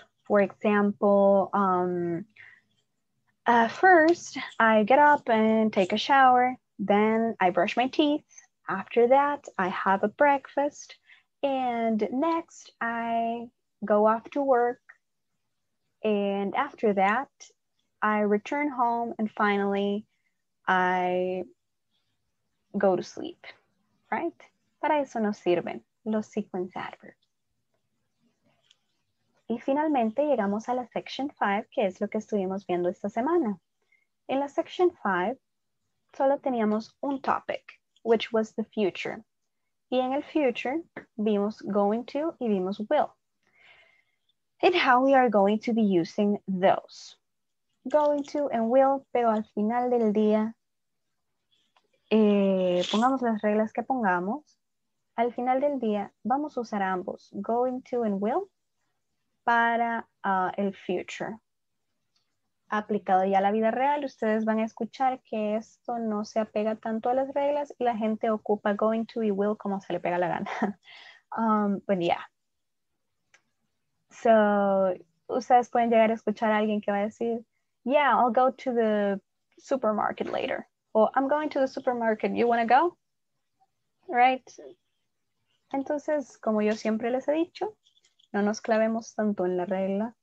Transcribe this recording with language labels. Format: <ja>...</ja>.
<en>For example, first I get up and take a shower, then I brush my teeth, after that I have a breakfast, and next I go off to work, and after that I return home, and finally I go to sleep, right?</en> <es>Para eso nos sirven los sequence adverbs. Y finalmente llegamos a la section 5, que es lo que estuvimos viendo esta semana. En la section 5 solo teníamos un topic,</es> <en>which was the future.</en> <es>Y en el future vimos going to y vimos will.</es> <en>And how we are going to be using those.</en> <es>Going to and will, pero al final del día, pongamos las reglas que pongamos, al final del día, vamos a usar ambos, going to and will, para el future. Aplicado ya a la vida real, ustedes van a escuchar que esto no se apega tanto a las reglas y la gente ocupa going to y will como se le pega la gana. But yeah. So, ustedes pueden llegar a escuchar a alguien que va a decir, yeah,</es> <en>I'll go to the supermarket later. O, I'm going to the supermarket, you want to go? Right?</en> <es>Entonces, como yo siempre les he dicho, no nos clavemos tanto en la regla.</es>